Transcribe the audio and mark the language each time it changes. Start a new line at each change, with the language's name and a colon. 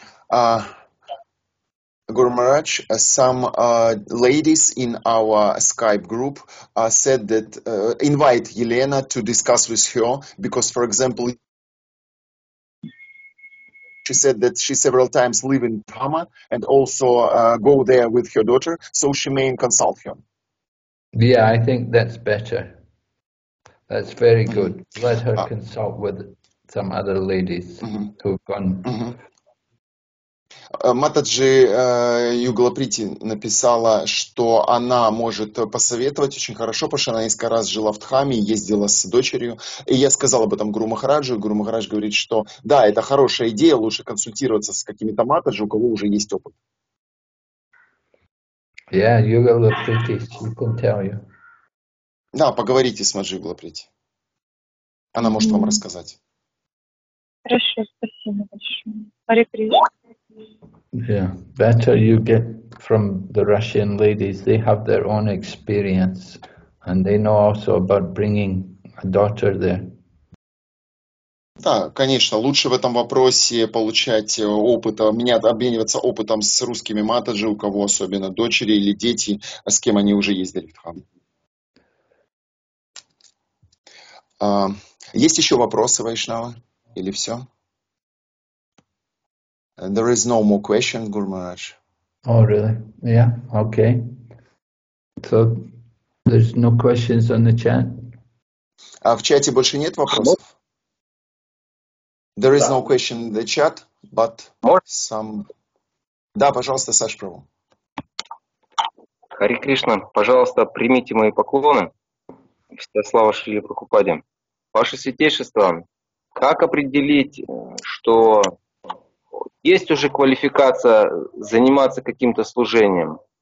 English: Guru Maharaj, some ladies in our Skype group said that invite Елена to discuss with her, because, for example, she said that she several times live in Tama and also go there with her daughter, so she may consult her. Yeah, I think that's better. That's very good. Mm-hmm. Let her consult with some other ladies mm-hmm. who've gone. Mm-hmm.
Russian: Матаджи Югалаприти написала, что она может посоветовать очень хорошо, потому что она несколько раз жила в Дхаме, ездила с дочерью. И я сказал об этом Гуру Махараджу, и Гуру Махарадж говорит, что да, это хорошая идея, лучше консультироваться с какими-то матаджи, у кого уже есть опыт.
English: Yeah, Югалаприти, she can tell you.
Russian: Да, поговорите с Матаджи Югалаприти. Она может вам рассказать. Хорошо, спасибо большое. Харе Кришна.
English: Yeah, better you get from the Russian ladies. They have their own experience, and they know also about bringing a daughter there.
Russian: Да, конечно, лучше в этом вопросе получать опыт, обмениваться опытом с русскими матаджи, у кого особенно дочери или дети, с кем они уже ездили в Дхам. Есть еще вопросы, Вайшнава, или все?
English: There is no more questions, Guru Maharaj. Oh, really? Yeah, okay. So, there's no questions on the chat?
Russian: А в чате больше нет вопросов?
English: There is no question in the chat, but some...
Russian: Да, пожалуйста, Саш Прабу. Хари Кришна, пожалуйста, примите мои поклоны. Вся слава Шриле Прабхупаде. Ваше святейшество, как определить, что... Есть уже квалификация заниматься каким-то служением?